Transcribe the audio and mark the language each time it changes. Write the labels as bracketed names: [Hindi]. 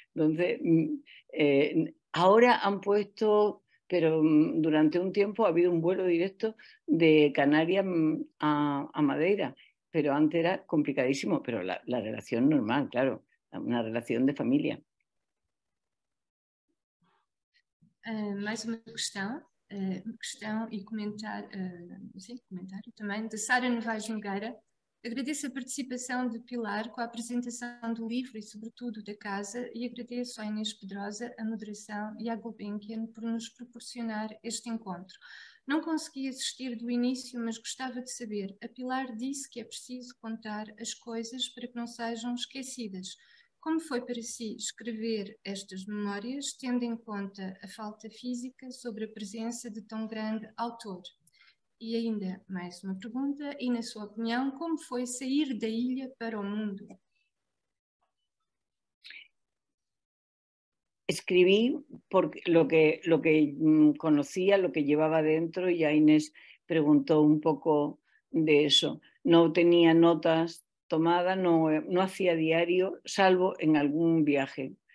[Spanish] Entonces, ahora han puesto... pero durante un tiempo ha habido un vuelo directo de Canarias a Madeira, pero antes era complicadísimo, pero la relación normal, claro, una relación de familia. [Portuguese] Mais uma questão e comentário também, de Sara Novaes Nogueira. Agradeço a participação de Pilar com a apresentação do livro e, sobretudo, da casa, e agradeço à Inês Pedrosa, à moderação e à Gulbenkian por nos proporcionar este encontro. Não consegui assistir do início, mas gostava de saber. A Pilar disse que é preciso contar as coisas para que não sejam esquecidas. Como foi para si escrever estas memórias, tendo em conta a falta física sobre a presença de tão grande autor? E ainda mais uma pergunta, e na sua opinião, como foi sair da ilha para o mundo? [Spanish] Escribí porque lo que conocía, lo que llevaba dentro, y a Inés preguntó un poco de eso. No tenía notas tomadas, no hacía diario, salvo en algún viaje.